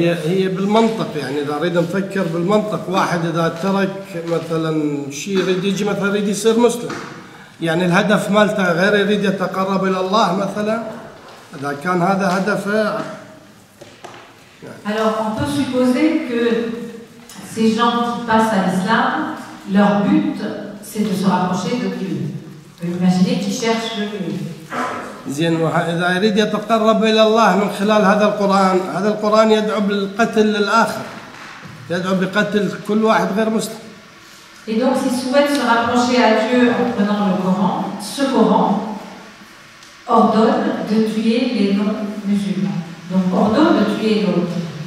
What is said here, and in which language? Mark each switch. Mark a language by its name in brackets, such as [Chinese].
[Arabic] هي بالمنطق، يعني اذا اريد نفكر بالمنطق، واحد اذا ترك مثلا شيء يريد يجي مثلا يريد يصير مسلم، يعني الهدف مالته غير يريد يتقرب الى الله مثلا، اذا كان هذا هدفه. [French] Alors on peut supposer que ces gens qui passent à l'islam, leur but c'est de se rapprocher de Dieu. Imaginez qu'ils cherchent le Dieu. [Arabic] زين، وإذا يريد يتقرب إلى الله من خلال هذا القرآن، هذا القرآن يدعو بالقتل للآخر، يدعو بقتل كل واحد غير مسلم. [French] Et donc s'il souhaite se rapprocher à Dieu en prenant le Coran, ce Coran ordonne de tuer les non-musulmans. Donc ordonne de tuer l'autre.